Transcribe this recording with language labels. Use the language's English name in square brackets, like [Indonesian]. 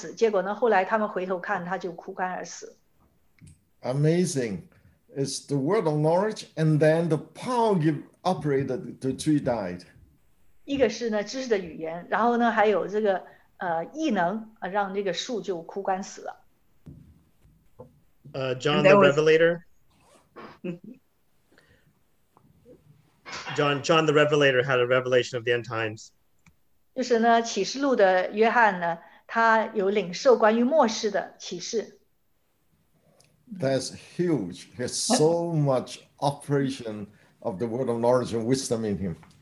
[Chinese] 就是呢,耶稣看见那个挖果树没有果子,他就说他们要枯干而死,结果呢,后来他们回头看,他就枯干而死。 [English] Amazing. It's the word of knowledge, and then the power give operated, the tree died. [Chinese] 一个是呢,知识的语言,然后呢,还有这个异能,让这个树就枯干死了。 [English] John the Revelator. John the Revelator had a revelation of the end times. [Chinese] 就是呢,启示录的约翰呢,他有领受关于末世的启示。 [English] That's huge. There's so much operation of the word of knowledge and wisdom in him.